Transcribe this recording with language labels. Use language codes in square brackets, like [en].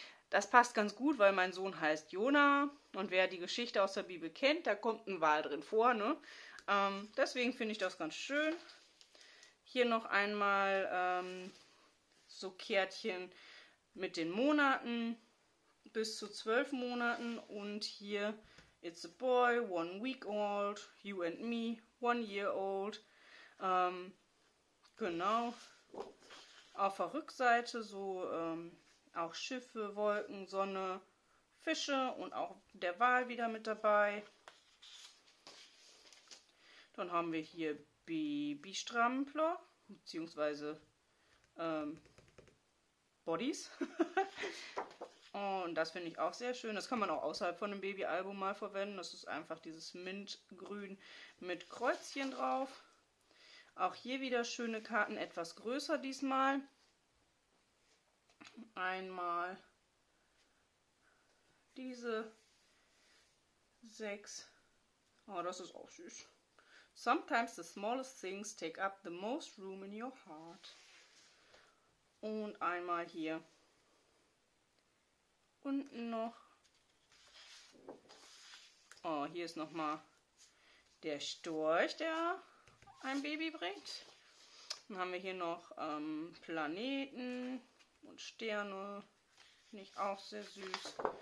[de] Das passt ganz gut, weil mein Sohn heißt Jona. Und wer die Geschichte aus der Bibel kennt, da kommt ein Wal drin vor. Ne? Deswegen finde ich das ganz schön. Hier noch einmal so Kärtchen mit den Monaten. Bis zu 12 Monaten. Und hier, [en] it's a boy, 1 week old, you and me, 1 year old. [de] Genau. Auf der Rückseite so auch Schiffe, Wolken, Sonne, Fische und auch der Wal wieder mit dabei. Dann haben wir hier Babystrampler, beziehungsweise Bodies. Und das finde ich auch sehr schön. Das kann man auch außerhalb von einem Babyalbum mal verwenden. Das ist einfach dieses Mintgrün mit Kreuzchen drauf. Auch hier wieder schöne Karten, etwas größer diesmal. Einmal diese 6. Oh, das ist auch süß. [en] Sometimes the smallest things take up the most room in your heart. [de] Und einmal hier unten noch. Oh, hier ist nochmal der Storch, der ein Baby bringt. Dann haben wir hier noch Planeten. Und Sterne, finde ich auch sehr süß.